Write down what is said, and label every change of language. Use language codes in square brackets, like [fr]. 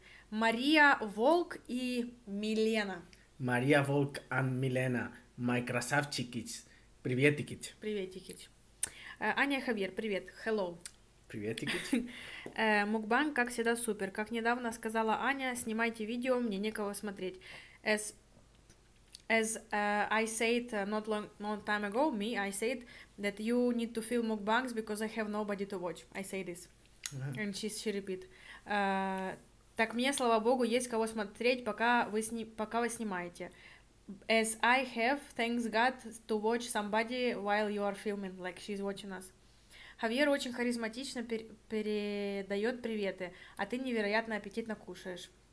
[ru] Мария Волк и Милена. Мария Волк и Милена. Мои красавчики. Приветики. Приветики. Аня и Хавьер, привет. Hello. Приветики. Мукбанг, как всегда, супер. Как недавно сказала Аня, снимайте видео, мне некого смотреть. [en] As I said not long time ago, that you need to film mukbangs because I have nobody to watch. I say this. Uh-huh. And she repeat. [ru] Так мне, слава богу, есть кого смотреть, пока вы снимаете. [en] as I have, thanks God, to watch somebody while you are filming, like she's watching us. [ru] Хавьер очень харизматично передает приветы, а ты невероятно аппетитно кушаешь.